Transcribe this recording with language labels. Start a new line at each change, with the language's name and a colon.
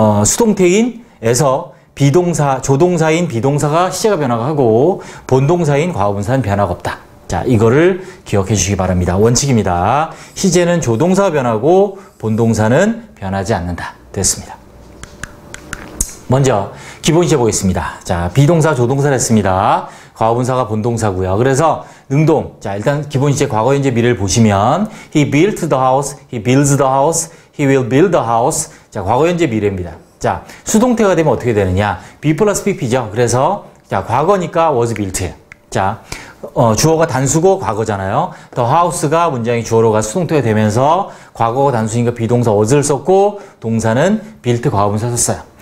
Korean: 수동태인에서 비동사 조동사인 비동사가 시제가 변화가 하고 본동사인 과거분사는 변화가 없다. 자, 이거를 기억해 주시기 바랍니다. 원칙입니다. 시제는 조동사가 변하고 본동사는 변하지 않는다. 됐습니다. 먼저 기본 시제 보겠습니다. 자, 비동사 조동사를 했습니다. 과거분사가 본동사고요. 그래서 능동. 자, 일단 기본 시제 과거 현재 미래를 보시면
English: he built the house, he builds the house, he will build the house.
Korean: 자, 과거 현재 미래입니다. 자, 수동태가 되면 어떻게 되느냐? be plus pp죠. 그래서 자, 과거니까 was built예요. 자, 주어가 단수고 과거잖아요. The house가 문장이 주어로가 수동태가 되면서 과거가 단수니까 비동사 was를 썼고 동사는 built 과거분사 썼어요.